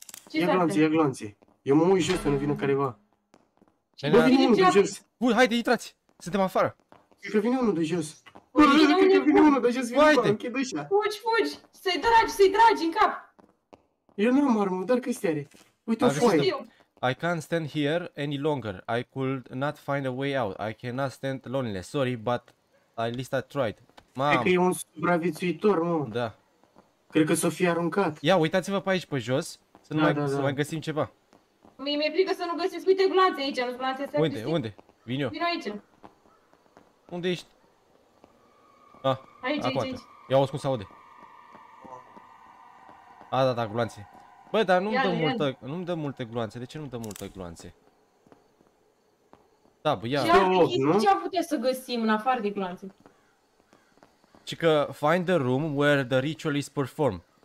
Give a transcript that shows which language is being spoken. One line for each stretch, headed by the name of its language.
Romanian: Ia glanțe! Eu mă mui jos să nu vină careva! Bă, vine unul de jos! Bun, haide, intrați! Suntem afară! Cred că vine unul de jos! Uite, fugi! Să-i dragi în cap! Eu nu am armă, doar Cristi are. Uite-o foaie!
English: I can't stand here any longer. I could not find a way out. I cannot stand lonely. Sorry, but at least I tried.
Romanian: Cred că e un supraviețuitor, mă. Da. Cred că s-o fie aruncat. Ia, uitați-vă pe aici, pe jos, să nu să mai găsim ceva. Mi-e frică să nu găsesc. Uite glanțe aici, nu-s glanțe astea. Unde? Vin eu. Vin aici. Unde ești? Aici. Ia auzi cum se aude. A, da, gloanțe. Bă, dar nu-mi dă multe gloanțe. De ce nu-mi dă multe gloanțe? Da, bă, ia. Ce am putea să găsim în afară de gloanțe? Și că
English: find the room where the ritual is performed.